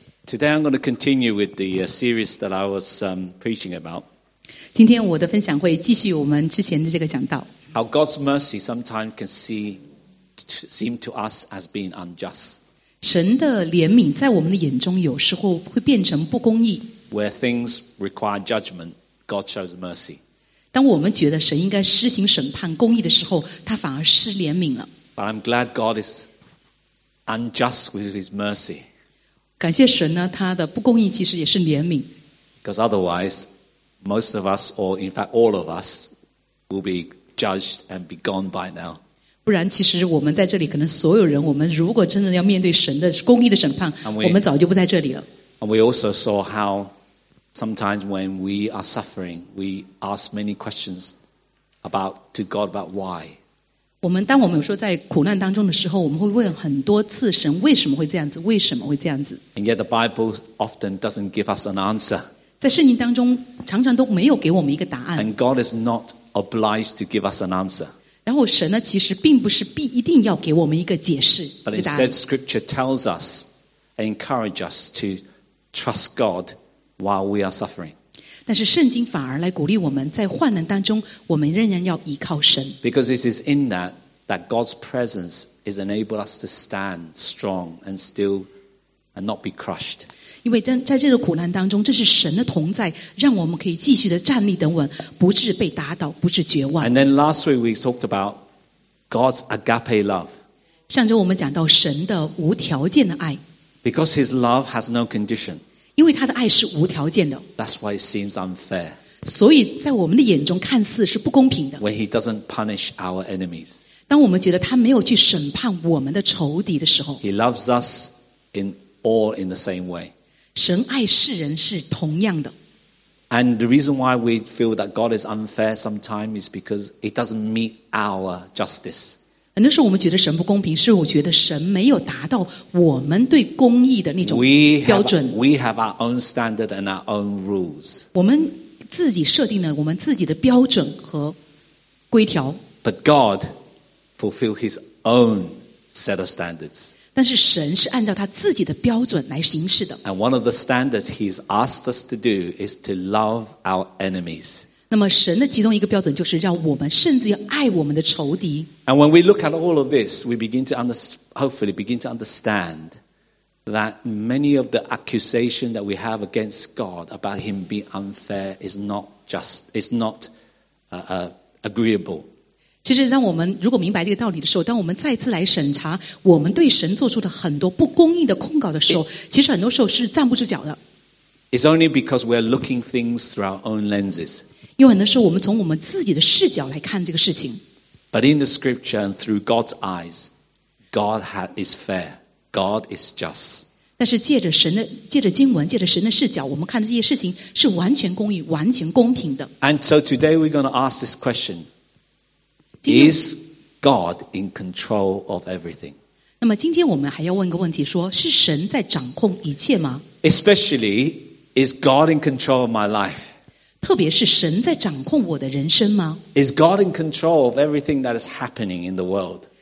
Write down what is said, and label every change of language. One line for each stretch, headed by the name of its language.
English: Today I'm going to continue with the series that I was preaching about.
Chinese: 今天我的分享会继续我们之前的这个讲道。
English: How God's mercy sometimes can seem to us as being unjust.
Chinese: 神的怜悯在我们的眼中有时候会变成不公义。
English: Where things require judgment, God shows mercy.
Chinese: 当我们觉得神应该施行审判公义的时候，他反而施怜悯了。
English: But I'm glad God is unjust with His mercy.
Chinese: 感谢神呢，他的不公义其实也是怜悯。
English: Because otherwise, most of us, or in fact all of us, will be judged and be gone by now.
Chinese: 不然，其实我们在这里，可能所有人，我们如果真的要面对神的公义的审判，我们早就不在这里了。
English: And we also saw how sometimes when we are suffering, we ask many questions about to God about why.
Chinese: 我们当我们说在苦难当中的时候，我们会问很多次神为什么会这样子，为什么会这样子。
English: And yet the Bible often doesn't give us an answer.
Chinese: 在圣经当中，常常都没有给我们一个答案。
English: And God is not obliged to give us an answer.
Chinese: 然后神呢，其实并不是必一定要给我们一个解释。
English: But instead, Scripture tells us and encourages us to trust God while we are suffering.
Chinese: 但是圣经反而来鼓励我们在患难当中我们仍然要依靠神。
English: Because it is in that God's presence is enabled us to stand strong and still and not be crushed.
Chinese: 因为在这个苦难当中这是神的同在让我们可以继续的站立等稳不致被打倒不致绝望。
English: And then last week we talked about God's agape love.
Chinese: 上周我们讲到神的无条件的爱。
English: Because His love has no condition.
Chinese: 因为他的爱是无条件的。
English: That's why it seems unfair.
Chinese: 所以在我们的眼中看似是不公平的。
English: When he doesn't punish our enemies.
Chinese: 当我们觉得他没有去审判我们的仇敌的时候。
English: He loves us in all in the same way.
Chinese: 神爱世人是同样的。
English: And the reason why we feel that God is unfair sometimes is because it doesn't meet our justice.
Chinese: 很多时候我们觉得神不公平是我觉得神没有达到我们对公义的那种标准。
English: We have our own standard and our own rules.
Chinese: 我们自己设定了我们自己的标准和规条。
English: But God fulfilled His own set of standards.
Chinese: 但是神是按照他自己的标准来行事的。
English: And one of the standards He's asked us to do is to love our enemies.
Chinese: 那么神的其中一个标准就是让我们甚至要爱我们的仇敌。
English: And when we look at all of this, we begin to hopefully begin to understand that many of the accusations that we have against God about Him being unfair is not agreeable.
Chinese: 其实当我们如果明白这个道理的时候，当我们再次来审查我们对神做出的很多不公义的控告的时候，其实很多时候是站不住脚的。
English: It's only because we're looking things through our own lenses.
Chinese: 因为很多时候我们从我们自己的视角来看这个事情。
English: But in the scripture and through God's eyes, God is fair. God is just.
Chinese: 但是借着经文借着神的视角我们看这些事情是完全公义完全公平的。
English: And so today we're going to ask this question. Is God in control of everything?
Chinese: 那么今天我们还要问一个问题说是神在掌控一切吗
English: ?Especially, is God in control of my life?
Chinese: 特别是神在掌控我的人生吗
English: ？Is God in control of everything that is happening in the world?